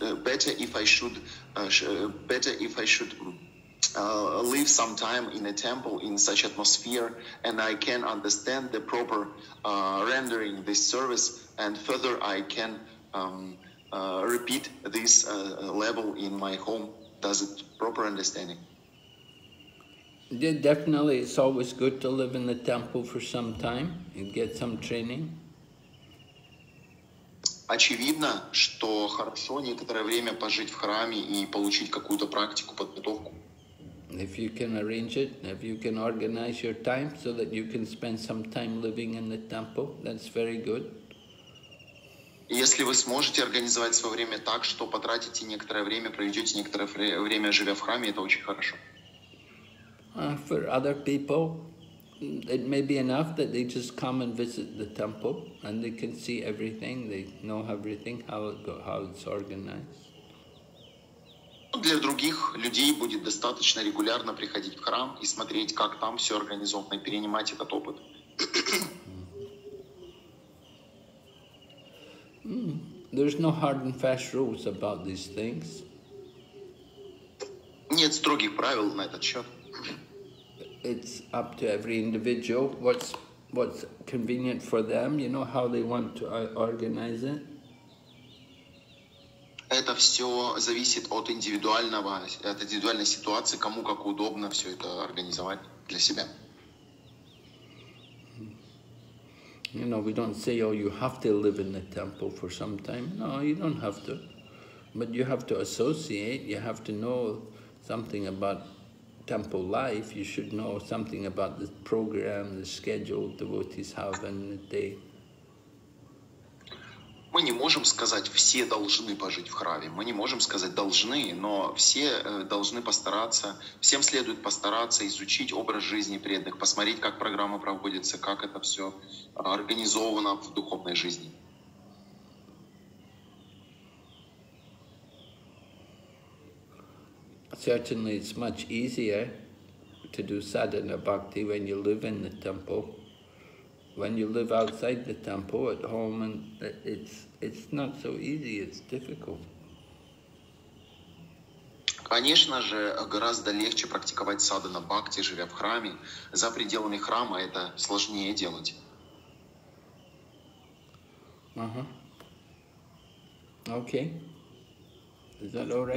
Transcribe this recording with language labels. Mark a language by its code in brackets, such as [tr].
[en] better if I should live some time in a temple in such atmosphere, and I can understand the proper rendering this service, and further I can repeat this level in my home. Does it proper understanding? Yeah, definitely, it's always good to live in the temple for some time and get some training. [ru] Очевидно, что хорошо некоторое время пожить в храме и получить какую-то практику, подготовку. [en] If you can arrange it, if you can organize your time so that you can spend some time living in the temple, that's very good. [ru] Если вы сможете организовать свое время так, что потратите некоторое время, проведете некоторое время, живя в храме, это очень хорошо. [en] For other people, it may be enough that they just come and visit the temple and they can see everything, they know everything, how it's organized. [ru] Для других людей будет достаточно регулярно приходить в храм и смотреть, как там все организовано, и перенимать этот опыт. [en] There's no hard and fast rules about these things. [ru] Нет строгих правил на этот счет. [en] It's up to every individual what's convenient for them, you know, how they want to organize it. Это все зависит от индивидуального, от индивидуальной ситуации, кому как удобно все это организовать для себя. You know, we don't say, oh, you have to live in the temple for some time. No, you don't have to. But you have to associate, you have to know something about temple life, you should know something about the program, the schedule devotees have in the day. [ru] Мы не можем сказать, все должны пожить в храме. Мы не можем сказать, должны, но все должны постараться, всем следует постараться изучить образ жизни преданных, посмотреть, как программа проводится, как это все организовано в духовной жизни. [en] Certainly it's much easier to do sadhana bhakti when you live in the temple. When you live outside the temple at home, and it's not so easy, it's difficult. [ru] Конечно же, гораздо легче практиковать садхана бхакти, живя в храме. За пределами храма это сложнее делать. [en] Uh-huh. Okay. Is that all right?